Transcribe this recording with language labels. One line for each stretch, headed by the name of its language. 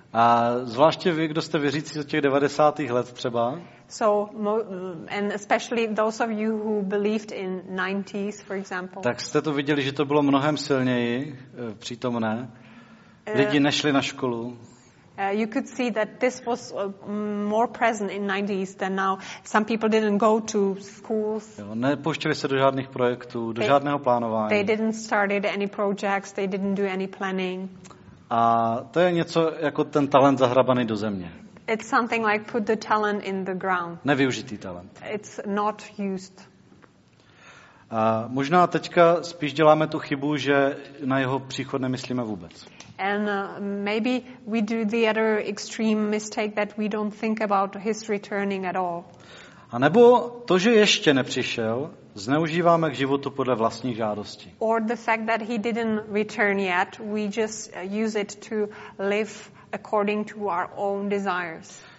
Czech: A zvláště vy, kdo jste věřící z těch 90. let třeba.
English: So and especially those of you who believed in 90s, for example.
Czech: Tak jste to viděli, že to bylo mnohem silněji přítomné. Lidi nešli na školu.
English: You could see that this was more present in 90s than now. Some people didn't go to schools.
Czech: Jo, nepouštěli se do žádných projektů, do žádného plánování.
English: They didn't start any projects, they didn't do any planning.
Czech: A to je něco jako ten talent zahrabaný do země.
English: It's something like put the talent in the ground.
Czech: Nevyužitý talent.
English: It's not used.
Czech: A možná teďka spíš děláme tu chybu, že na jeho příchod nemyslíme vůbec.
English: And maybe we do the other extreme mistake that we don't think about his returning at all.
Czech: A nebo to, že ještě nepřišel, zneužíváme k životu podle vlastních žádostí.
English: Or the fact that he didn't return yet, we just use it to live according to our own desires.